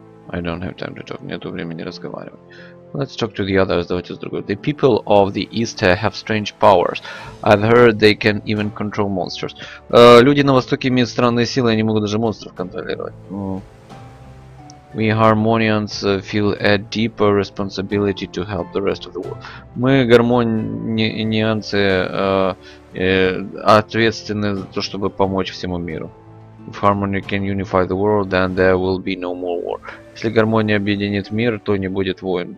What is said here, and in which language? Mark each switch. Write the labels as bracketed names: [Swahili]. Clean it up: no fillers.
[English] I don't have time to talk. [Russian] Нету времени разговаривать. [English] Let's talk to the others. [Russian] Давайте с другой. [English] The people of the East have strange powers. I've heard they can even control monsters. [Russian] Люди на востоке имеют странные силы, они могут даже монстров контролировать. [English] We Harmonians feel a deeper responsibility to help the rest of the world. [Russian] Мы гармонианцы ответственны за то, чтобы помочь всему миру. [English] If harmony can unify the world, then there will be no more war. [Russian] Если гармония объединит мир, то не будет войн.